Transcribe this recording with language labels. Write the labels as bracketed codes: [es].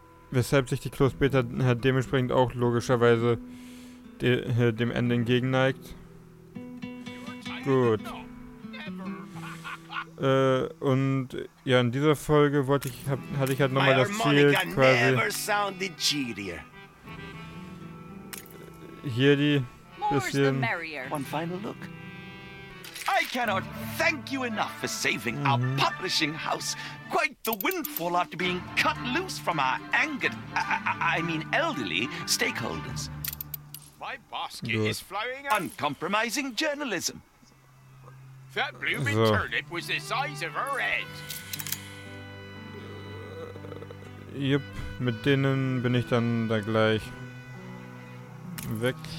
[de] Weshalb sich die Closed Beta dementsprechend auch logischerweise dem Ende entgegenneigt. Gut. Und ja, in dieser Folge hatte ich halt nochmal das Ziel, quasi hier die bisschen. [en] One final look. I cannot thank you enough for saving our publishing house. Quite the windfall after being cut loose from our angered, elderly stakeholders. My basket is flowing out. Uncompromising journalism. That blooming turnip was the size of her head. [de] Jupp, mit denen bin ich dann da gleich weg.